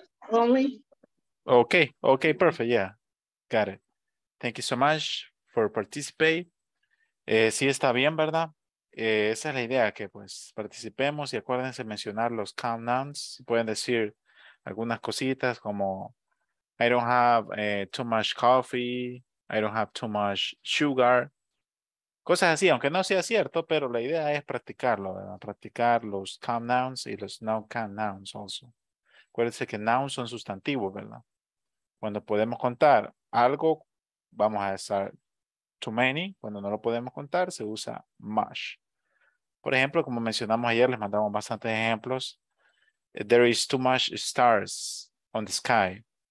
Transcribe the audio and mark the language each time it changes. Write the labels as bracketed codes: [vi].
[en] Only. Okay, okay, perfect, yeah. Got it. Thank you so much for participate. [es] Sí está bien, ¿verdad? Esa es la idea, que pues participemos y acuérdense mencionar los count nouns. Pueden decir algunas cositas como [en] I don't have too much coffee, I don't have too much sugar. [es] Cosas así, aunque no sea cierto, pero la idea es practicarlo, ¿verdad? Practicar los count nouns y los no count nouns [en] also. [es] Acuérdense que nouns son sustantivos, ¿verdad? Cuando podemos contar algo, vamos a usar [en] too many. [es] Cuando no lo podemos contar, se usa much. Por ejemplo, como mencionamos ayer, les mandamos bastantes ejemplos. [en] There is too much stars on the sky.